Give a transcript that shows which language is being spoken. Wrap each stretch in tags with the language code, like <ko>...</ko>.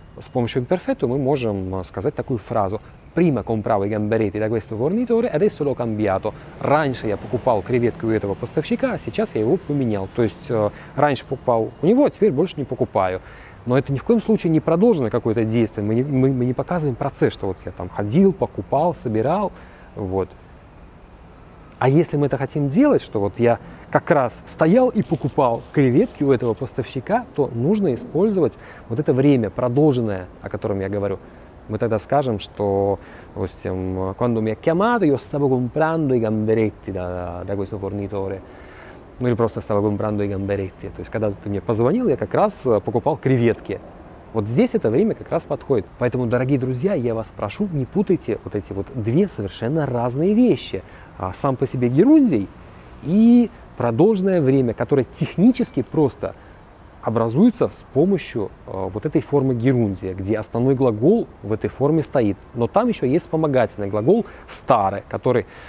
<ru>С помощью imperfetto мы можем сказать такую фразу:</ru> <it>«Prima compravo i gamberetti da questo fornitore, adesso l'ho cambiato».</it> <ru>«Раньше я покупал креветки у этого поставщика, а сейчас я его поменял». То есть раньше покупал у него, а теперь больше не покупаю. Но это ни в коем случае не продолженное какое-то действие. Мы не показываем процесс, что вот я там ходил, покупал, собирал. Вот. А если мы это хотим делать, что вот я как раз стоял и покупал креветки у этого поставщика, то нужно использовать вот это время продолженное, о котором я говорю. Мы тогда скажем, что, допустим,</ru> <it>«Quando mi ha chiamato, io stavo comprando i gamberetti da questo fornitore».</it> <ru>Ну или просто</ru> <it>«stavo comprando i gamberetti».</it> <ru>То есть, когда ты мне позвонил, я как раз покупал креветки. Вот здесь это время как раз подходит. Поэтому, дорогие друзья, я вас прошу, не путайте вот эти вот две совершенно разные вещи. Сам по себе герундий и продолженное время, которое технически просто образуется с помощью вот этой формы герундия, где основной глагол в этой форме стоит. Но там еще есть вспомогательный глагол «stare», который</ru>